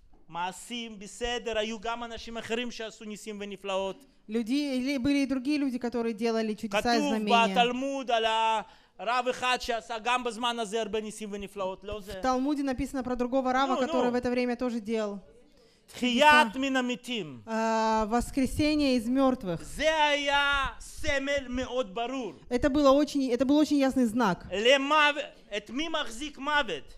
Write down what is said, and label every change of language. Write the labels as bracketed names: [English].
[Hebrew] מעשים בסדר, היו גם אנשים אחרים שעשו ניסים ונפלאות. [Russian] Люди или были и другие люди, которые делали чудеса и знамения. [Hebrew] כתוב בתלמוד על הרב אחד שעשה גם בזמן הזה הרבה ניסים ונפלאות. [Russian] В Талмуде написано про другого рава, который в это время тоже делал. [Hebrew] תחיית מן המתים. [Russian] Воскресение из мертвых. [Hebrew] זה היה סמל מאוד ברור. [Russian] Это был очень ясный знак. [Hebrew] את מי מחזיק מוות?